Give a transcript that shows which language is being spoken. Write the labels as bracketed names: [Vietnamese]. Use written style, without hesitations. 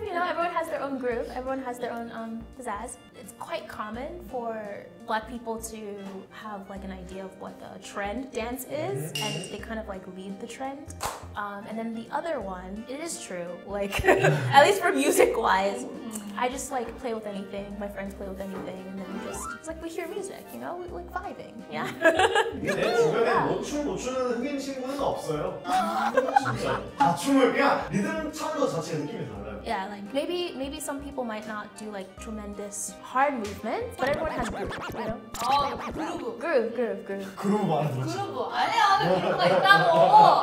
[English] You know, everyone has their own groove. Everyone has their own pizzazz. It's quite common for black people to have like an idea of what the trend dance is. And they kind of like lead the trend. And then the other one, it is true, like, at least for music-wise, I just like play with anything, my friends play with anything, and then we just, it's like we hear music, you know, we're like vibing, yeah. [Korean] 내 주변에 못 추는 흑인 친구는 없어요. 진짜 다 춤을 그냥 리듬 차는 것 자체 느낌이 달라요. [English] Yeah, like maybe some people might not do like tremendous hard movements, but everyone has groove, you know? Oh, groove. [Korean] Groove 말하는 거지? Groove 아니야, 아는 그룹도 있다고.